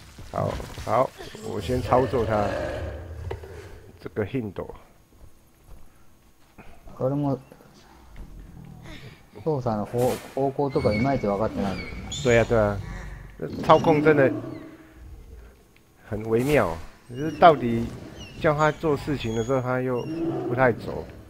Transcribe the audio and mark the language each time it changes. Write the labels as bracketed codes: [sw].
[zh] 好好，我先操作他这个ヒント。 [ja] 俺も操作の方向とかいまいち分かってない。 [zh] 对啊对啊，操控真的很微妙，就是到底叫他做事情的时候他又不太走。